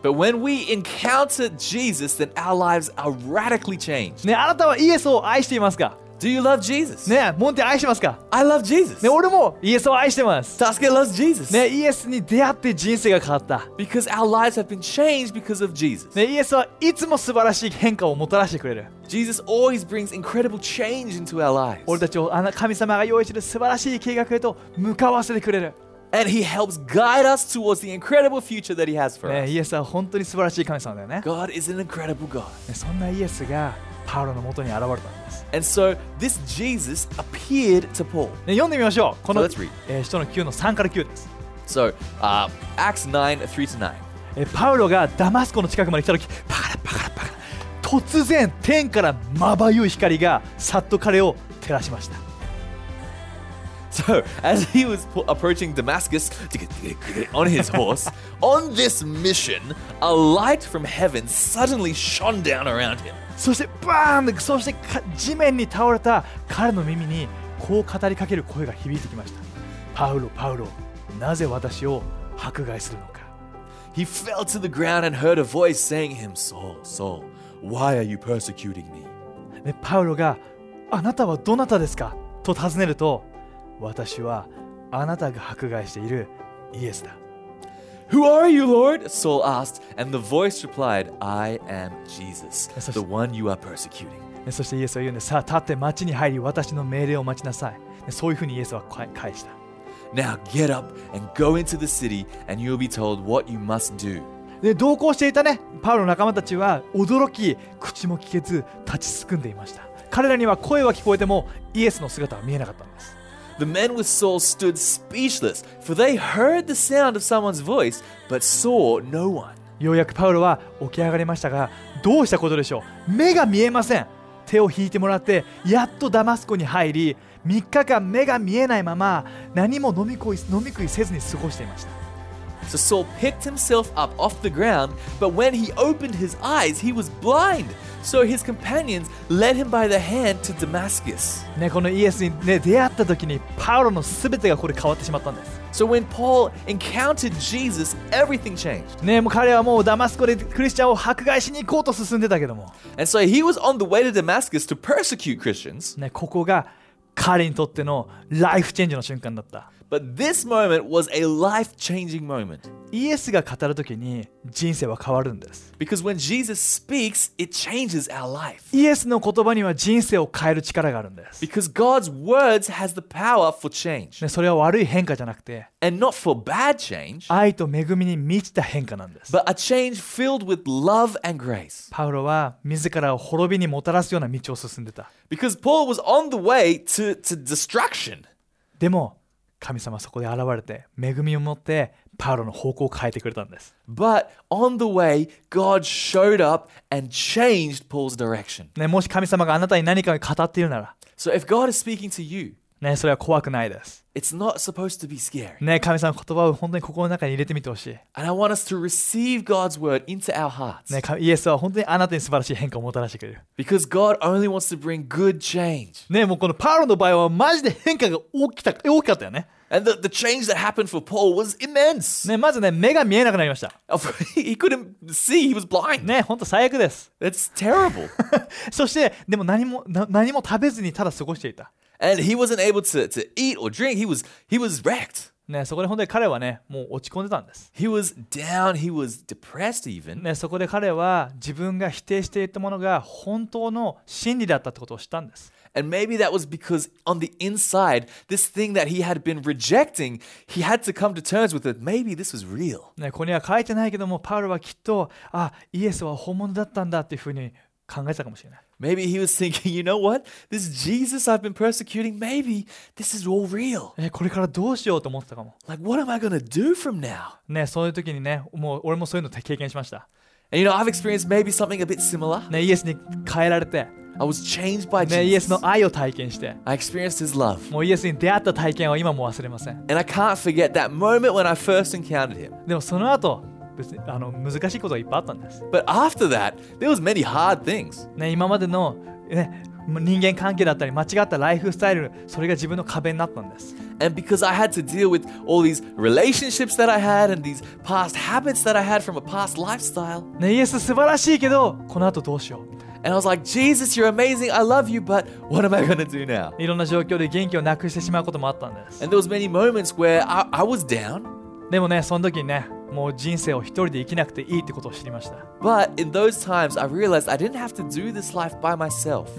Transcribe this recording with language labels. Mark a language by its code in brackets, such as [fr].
[en] But when we encounter Jesus, then our lives are radically changed. [ja] ね、あなたはイエスを愛していますか? [en] Do you love Jesus? [ja] ね、モンテ愛してますか? [en] I love Jesus. [ja] ね、俺もイエスを愛してます。 [en] Tasuke loves Jesus. [ja] ね、イエスに出会って人生が変わった。 [en] Because our lives have been changed because of Jesus. [ja] ね、イエスはいつも素晴らしい変化をもたらしてくれる。 [en] Jesus always brings incredible change into our lives. [ja] 俺たちを神様が用意している素晴らしい計画へと向かわせてくれる。 [en] And he helps guide us towards the incredible future that he has for us. [ja] イエスは本当に素晴らしい神様だよね。 [en] God is an incredible God. [ja] そんなイエスがパウロの元に現れたんです。 [en] And so this Jesus appeared to Paul. [ja] 読んでみましょう。この、 [en] so let's read. [ja] 使徒の9の3から9です。 [en] So, Acts 9:3-9. [ja] パウロがダマスコの近くまで来た時、パカラパカラパカラ。突然天からまばゆい光がさっと彼を照らしました。 So, as he was approaching Damascus on his horse, on this mission, a light from heaven suddenly shone down around him. そしてバーン! そして地面に倒れた彼の耳にこう語りかける声が響いてきました。パウロ、パウロ、なぜ私を迫害するのか? [en] He fell to the ground and heard a voice saying him, Saul, Saul, why are you persecuting me? [ja] で、パウロがあなたはどなたですか?と尋ねると私はあなたが迫害しているイエスだ。 [en] Who are you, Lord? Saul asked, and the voice replied, I am Jesus, the one you are persecuting. [ja] そしてイエスは言うね、さあ立って町に入り私の命令を待ちなさい。そういうふうにイエスは返した。 [en] Now get up and go into the city, and you'll be told what you must do. [ja] で、同行していたね、パウロの仲間たちは驚き、口も聞けず立ちすくんでいました。彼らには声は聞こえてもイエスの姿は見えなかったんです。 [en] The men with Saul stood speechless, for they heard the sound of someone's voice, but saw no one. [ja] ようやくパウロは起き上がりましたが、どうしたことでしょう。目が見えません。手を引いてもらって、やっとダマスコに入り、3日間目が見えないまま、何も飲み食いせずに過ごしていました。 [en] So Saul picked himself up off the ground, but when he opened his eyes, he was blind. So his companions led him by the hand to Damascus. [ja] ね、このイエスに、ね、出会った時にパウロの全てがここで変わってしまったんです。 [en] So when Paul encountered Jesus, everything changed. [ja] ね、もう彼はもうダマスコでクリスチャンを迫害しに行こうと進んでたけども。 [en] And so he was on the way to Damascus to persecute Christians. [ja] ね、ここが彼にとってのライフチェンジの瞬間だった。 [en] But this moment was a life-changing moment. [ja] イエスが語るときに人生は変わるんです。 [en] Because when Jesus speaks, it changes our life. [ja] イエスの言葉には人生を変える力があるんです。 [en] Because God's words has the power for change. [ja] ね、それは悪い変化じゃなくて、 [en] And not for bad change. [ja] 愛と恵みに満ちた変化なんです。 [en] But a change filled with love and grace. [ja] パウロは自らを滅びにもたらすような道を進んでた。 [en] Because Paul was on the way to destruction. [ja] でも、神様そこで現れて恵みを持ってパウロの方向を変えてくれたんです。 [en] But on the way, God showed up and changed Paul's direction. [ja] ね、もし神様があなたに何かを語っているなら、 [en] So if God is speaking to you, [ja] ね、それは怖くないです。 [en] It's not supposed to be scary. [ja] ね、神様の言葉を本当に心の中に入れてみてほしい。 [en] And I want us to receive God's word into our hearts. [ja] ね、イエスは本当にあなたに素晴らしい変化をもたらしてくれる。 [en] Because God only wants to bring good change. [ja] ね、もうこのパウロの場合はマジで変化が大きかったよね。 [en] And the change that happened for Paul was immense. [ja] ね、まずね、目が見えなくなりました。 [en] He couldn't see, he was blind. [ja] ね、本当最悪です。 [en] It's terrible. [ja] そして、でも何も食べずにただ過ごしていた。 [en] And he wasn't able to eat or drink. He was wrecked. [ja] ね、そこで本当に彼はね、もう落ち込んでたんです。 [en] He was down. He was depressed even. [ja] ね、そこで彼は自分が否定していたものが本当の真理だったってことを知ったんです。 [en] And maybe that was because on the inside, this thing that he had been rejecting, he had to come to terms with it. Maybe this was real. [ja] ね、ここには書いてないけども、パウロはきっと、あ、イエスは本物だったんだっていうふうに考えたかもしれない。 [en] Maybe he was thinking, you know what? This Jesus I've been persecuting, maybe this is all real. [ja] これからどうしようと思ってたかも。 [en] Like, what am I going to do from now? [ja] ね、そういう時にね、もう俺もそういうの経験しました。 [en] And you know, I've experienced maybe something a bit similar. [ja] ね、イエスに変えられて。 [en] I was changed by Jesus. [ja] ね、イエスの愛を体験して。 [en] I experienced his love. [ja] もうイエスに出会った体験は今も忘れません。 [en] And I can't forget that moment when I first encountered him. [ja] でもその後、別にあの難しいことがいっぱいあったんです。 [en] But after that, there was many hard things. [ja] ね、今までの、ね、人間関係だったり間違ったライフスタイル、それが自分の壁になったんです。 [en] And because I had to deal with all these relationships that I had and these past habits that I had from a past lifestyle. [ja] ね、イエス素晴らしいけど、この後どうしよう。 [en] And I was like, Jesus, you're amazing. I love you, but what am I going to do now? [ja] いろんな状況で元気をなくしてしまうこともあったんです。 [en] And there was many moments where I was down. [ja] でもね、その時にね、もう人生を一人で生きなくていいってことを知りました。 [en] But in those times, I realized I didn't have to do this life by myself.